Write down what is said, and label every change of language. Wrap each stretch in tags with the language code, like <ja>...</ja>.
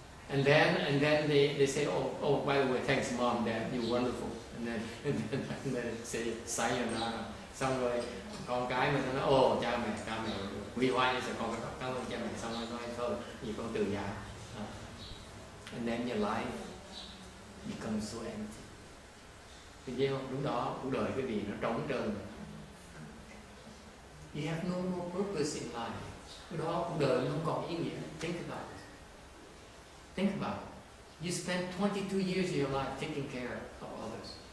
<en>And then they say, oh by the way, thanks mom, dad, you're wonderful. And then they say sayonara.</en> <vi>Xong rồi con cái mình nói, oh cha mẹ vì hoài như sẽ con cái cảm ơn cha mẹ, xong rồi nói thôi vì con từ nhà.</vi> <en>And then your life becomes so empty.</en> <vi>Thì thấy không? Lúc đó cuộc đời quý vị nó trống trơn.</vi> <en>You have no more purpose in life.</en> <vi>Lúc đó cuộc đời không còn ý nghĩa.</vi> <en>Think about it. Think about it. You spent 22 years of your life taking care of others.</en>